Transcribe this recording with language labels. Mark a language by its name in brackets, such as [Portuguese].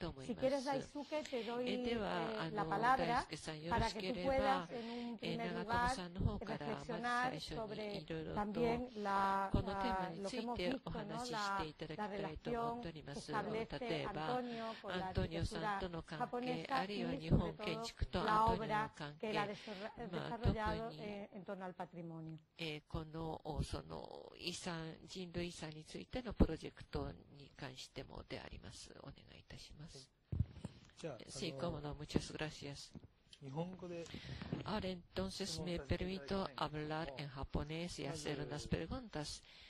[Spanish] Si quieres, Daisuke, te doy la palabra para que tú puedas en un primer lugar reflexionar sobre también lo que hemos visto, ¿no? la relación que establece Antonio con la arquitectura japonesa y sobre todo la obra que él ha desarrollado en torno al patrimonio. [Japanese] その遺産、人類遺産についてのプロジェクトに関してもであります。お願いいたします。じゃあ、シーコモノ、 [Spanish] muchas gracias。 [Japanese] 日本語で。 [Spanish] Ahora entonces me permito hablar en japonés y hacer unas preguntas.